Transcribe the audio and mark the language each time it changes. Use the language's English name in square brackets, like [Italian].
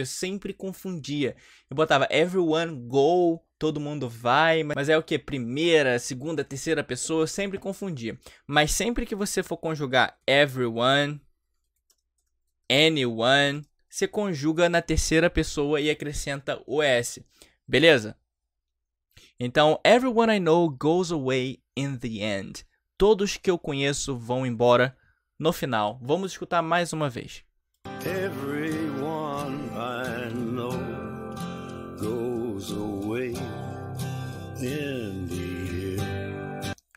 [Portuguese] Eu sempre confundia. Eu botava [English] everyone go, [Portuguese] todo mundo vai. Mas é o quê? Primeira, segunda, terceira pessoa. Eu sempre confundia. Mas sempre que você for conjugar everyone, anyone, você conjuga na terceira pessoa e acrescenta o S. Beleza? Então, [English] everyone I know goes away in the end. [Portuguese] Todos que eu conheço vão embora no final. Vamos escutar mais uma vez. [English] Everyone I know goes away in the end.